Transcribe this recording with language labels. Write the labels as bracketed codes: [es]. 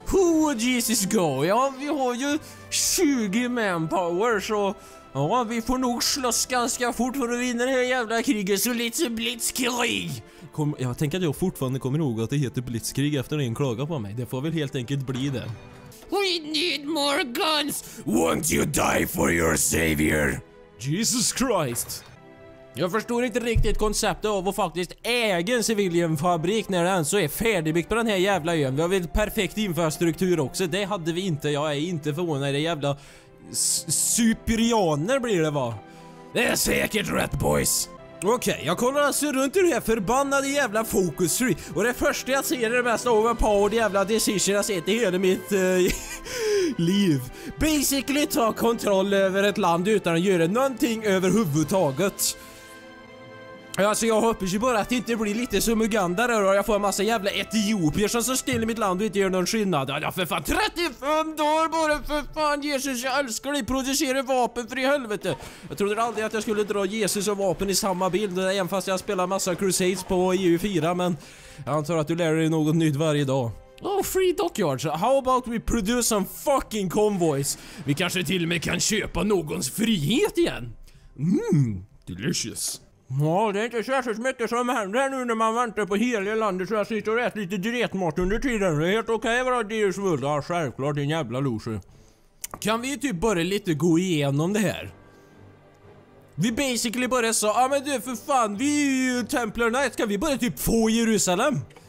[en] Who would Jesus go? [sv] Ja, vi har ju 20 manpower, så ja, vi får nog slåss ganska fort för att vinna det här jävla kriget. Så lite blitzkrig. Jag tänker att jag fortfarande kommer ihåg att det heter blitzkrig efter en klaga på mig. Det får väl helt enkelt bli det. [en] We need more guns. Won't you die for your savior? Jesus Christ. [sv] Jag förstår inte riktigt konceptet av att faktiskt äga en civilienfabrik när den så är färdigbyggt på den här jävla ön. Vi har väl perfekt infrastruktur också. Det hade vi inte. Jag är inte förvånad. Det jävla superianer blir det, va? Det är säkert rätt, boys. Okej, jag kollar alltså runt i det här förbannade jävla Focus 3. Och det första jag ser är det mest overpowered jävla decision jag sett i hela mitt liv. Basically ta kontroll över ett land utan att göra någonting överhuvudtaget. Alltså, jag hoppas ju bara att det inte blir lite som Uganda där och jag får en massa jävla etiopier som står still i mitt land och inte gör någon skillnad. Ja, för fan, 35 dagar bara, för fan, Jesus, jag älskar dig, producerar vapen för i helvete. Jag trodde aldrig att jag skulle dra Jesus och vapen i samma bild, även fast jag spelar massa Crusades på EU4, men jag antar att du lär dig något nytt varje dag. [en] Oh, free dockyards. How about we produce some fucking convoys? [sv] Vi kanske till och med kan köpa någons frihet igen. [en] Mmm, delicious. [sv] Ja, det är inte särskilt mycket som händer här nu när man väntar på hela landet, så jag sitter och äter lite dretmat under tiden. Det är helt okej vad det är svullt. Ja, självklart, din jävla loge. Kan vi typ bara lite gå igenom det här? Vi basically bara sa, ja men du för fan, vi är ju Templar Knights, kan vi bara typ få Jerusalem?